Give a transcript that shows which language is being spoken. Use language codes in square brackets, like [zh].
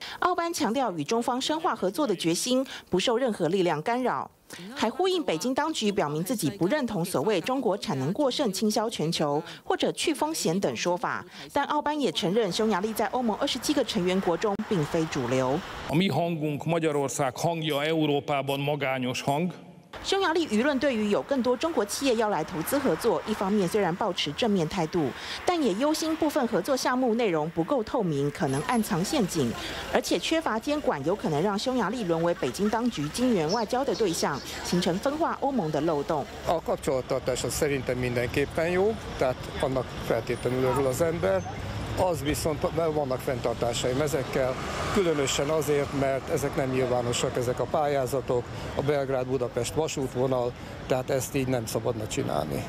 [zh] 奥班强调与中方深化合作的决心，不受任何力量干扰，还呼应北京当局表明自己不认同所谓中国产能过剩倾销全球或者去风险等说法。但奥班也承认，匈牙利在欧盟27个成员国中并非主流。 [hu] Mi hangunk Magyarország hangja Európában magányos hang。 [zh] 匈牙利舆论对于有更多中国企业要来投资合作，一方面虽然抱持正面态度，但也忧心部分合作项目内容不够透明，可能暗藏陷阱，而且缺乏监管，有可能让匈牙利沦为北京当局金元外交的对象，形成分化欧盟的漏洞。 [hu] A kapcsolatartása szerintem mindenképpen jó, tehát annak feltétlenül örül az ember. Az viszont vannak fenntartásaim ezekkel, különösen azért, mert ezek nem nyilvánosak, ezek a pályázatok, a Belgrád-Budapest vasútvonal, tehát ezt így nem szabadna csinálni.